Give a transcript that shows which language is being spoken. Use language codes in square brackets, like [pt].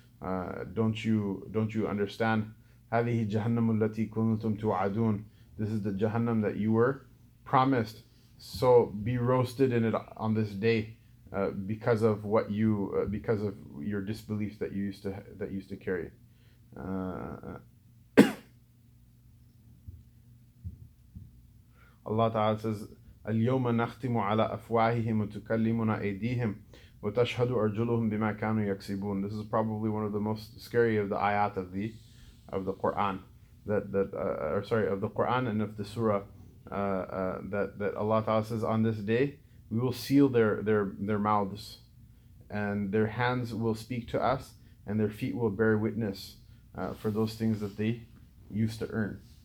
[en] Don't you understand? [ar] هَذِهِ جَهَنَّمُ الَّتِي كُنْتُمْ تُوَعَدُونَ, [en] this is the Jahannam that you were promised. So be roasted in it on this day because of what you, because of your disbelief that you used to carry. Allah Ta'ala says, [ar] اليوم نختم على أفواههم وتكلمنا أيديهم وتشهد أرجلهم بما كانوا يكسبون. [en] This is probably one of the most scary of the ayat of the Quran, of the Quran and of the surah, that Allah Ta'ala says on this day we will seal their mouths, and their hands will speak to us, and their feet will bear witness for those things that they used to earn.